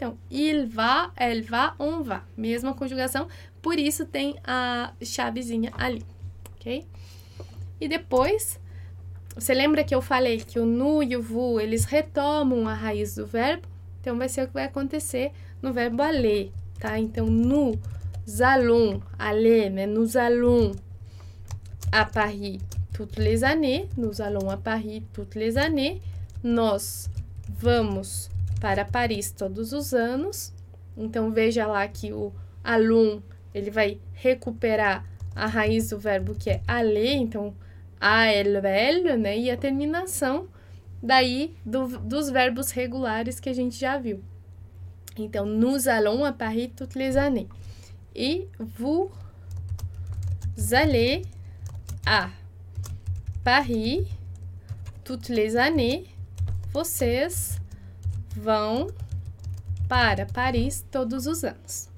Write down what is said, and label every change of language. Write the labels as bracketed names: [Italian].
[Portuguese] Então, [French] il va, elle va, on va, [Portuguese] mesma conjugação, por isso tem a chavezinha ali, ok? E depois, você lembra que eu falei que o nu e o vu, eles retomam a raiz do verbo? Então, vai ser o que vai acontecer no verbo aller, tá? [French] Então, nous allons, aller, né? Nous allons à Paris toutes les années, nous allons à Paris toutes les années, [Portuguese] nós vamos para Paris todos os anos. Então veja lá que o allons, ele vai recuperar a raiz do verbo que é aller, então ALL, né? E a terminação daí dos verbos regulares que a gente já viu. [French] Então nous allons à Paris toutes les années. E vous allez à Paris toutes les années. [Portuguese] Vocês vão para Paris todos os anos.